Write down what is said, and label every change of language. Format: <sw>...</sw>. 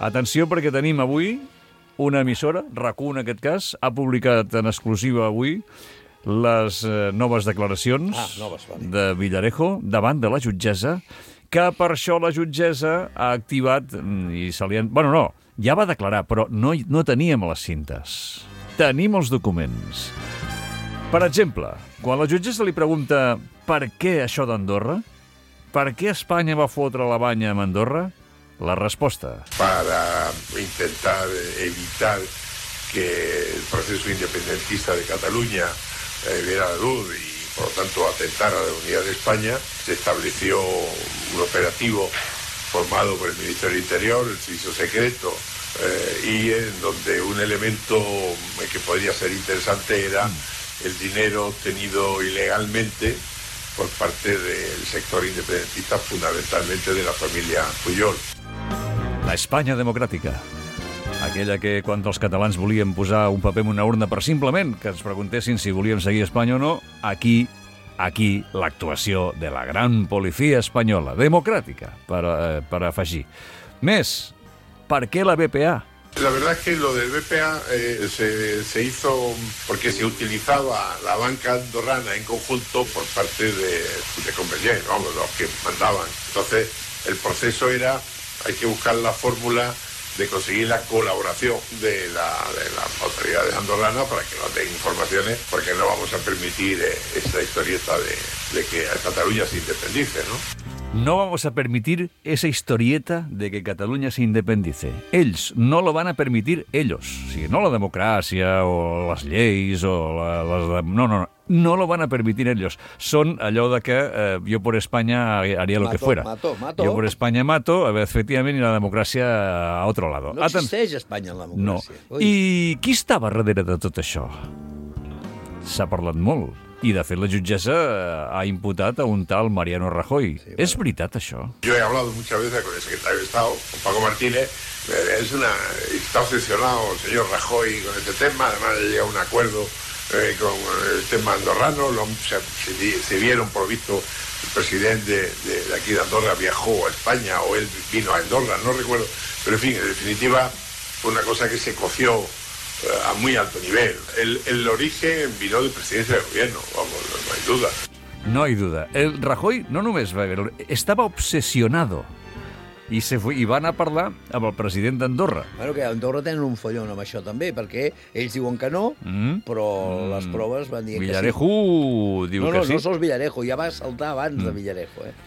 <ca>Atenció, perquè tenim avui una emissora, RAC1 en aquest cas, ha publicat en exclusiva avui les noves declaracions de Villarejo davant de la jutgessa, que per això la jutgessa ha activat i se li...</ca> <es>Bueno, no.</es> <ca>Ja va declarar, però no teníem les cintes. Tenim els documents. Per exemple, quan la jutgessa li pregunta per què això d'Andorra, per què Espanya va fotre la banya amb Andorra, la resposta...</ca> <es>Para intentar evitar que el proceso independentista de Cataluña viera la luz y, por lo tanto, atentara a la unidad de España, se estableció un operativo formado por el Ministerio del Interior, el Servicio Secreto, y en donde un elemento que podría ser interesante era el dinero obtenido ilegalmente por parte del sector independentista, fundamentalmente de la familia Pujol. La España democrática.</es> <ca>Aquella que, quan els catalans volien posar un paper en una urna per simplement que ens preguntessin si volíem seguir Espanya o no, aquí l'actuació de la gran policia espanyola, democràtica, per afegir. Més, per què la BPA?</ca> <es>La verdad es que lo del BPA se hizo porque se utilizaba la banca andorrana en conjunto por parte de Convergent, ¿no? Los que mandaban. Entonces, el proceso era, hay que buscar la fórmula de conseguir la colaboración de las autoridades andorranas para que nos den informaciones, porque no vamos a permitir esa historieta de que Cataluña se independice, ¿no? No vamos a permitir esa historieta de que Cataluña se independice. Ells no lo van a permitir, ellos.</es> <ca>O sigui, no la democràcia o les lleis o les...</ca> <es>No lo van a permitir ellos.</es> <ca>Són allò de</ca> <es>que yo por España haría lo que fuera. Mato. Yo por España mato,</es> <ca>efectivament, i la democràcia</ca> <es>a otro lado.</es> <ca>No existeix Espanya en la democràcia. No. I qui estava darrere de tot això? S'ha parlat molt. I, de fet, la jutgessa ha imputat a un tal Mariano Rajoy. Sí, bueno. És veritat, això?</ca> <es>Yo he hablado muchas veces con el secretario de Estado, con Paco Martínez. Está obsesionado el señor Rajoy con este tema. Además, ha llegado a un acuerdo con el tema andorrano. Se vieron, por visto, el presidente de aquí de Andorra viajó a España o él vino a Andorra, no recuerdo. Pero, en fin, en definitiva, fue una cosa que se coció a muy alto nivel. El origen vino de presidencia del gobierno, vamos, no hay duda. No hay duda.</es> <ca>El Rajoy no només va haver... Estava obsessionado. I van a parlar amb el president d'Andorra. Bueno, que Andorra tenen un follón amb això també, perquè ells diuen que no, però les proves van dir que sí. Villarejo diu que sí. No sols Villarejo, ja va saltar abans de Villarejo.</ca>